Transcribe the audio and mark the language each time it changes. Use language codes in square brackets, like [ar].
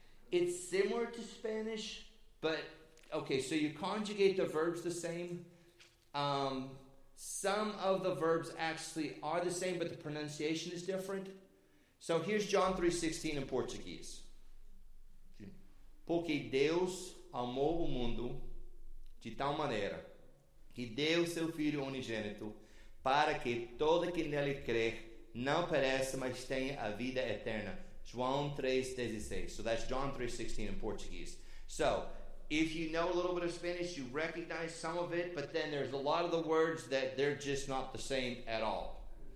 [en] It's similar to Spanish, but okay, so you conjugate the verbs the same. Some of the verbs actually are the same, but the pronunciation is different. So here's John 3:16 in Portuguese. [pt] Porque Deus amou o mundo de tal maneira que deu seu Filho unigênito para que todo aquele nele crê não pereça, mas tenha a vida eterna. João 3:16. [en] So that's John 3:16 in Portuguese. So, if you know a little bit of Spanish, you recognize some of it, but then there's a lot of the words that they're just not the same at all.